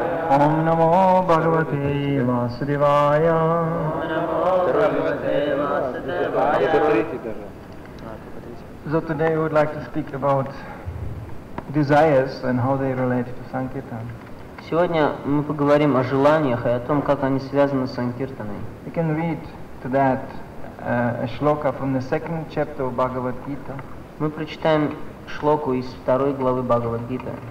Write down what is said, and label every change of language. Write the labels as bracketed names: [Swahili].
[Sanskrit] Ом намо Бхагавате Васудевая. [English] So today we would like to speak about desires and how they relate to Sankirtan. [Russian] Сегодня мы поговорим о желаниях и о том, как они связаны с санкиртаной. [English] You can read to that a shloka from the second chapter of Bhagavad Gita. [Russian] Мы прочитаем шлоку из второй главы Бхагавад Гита.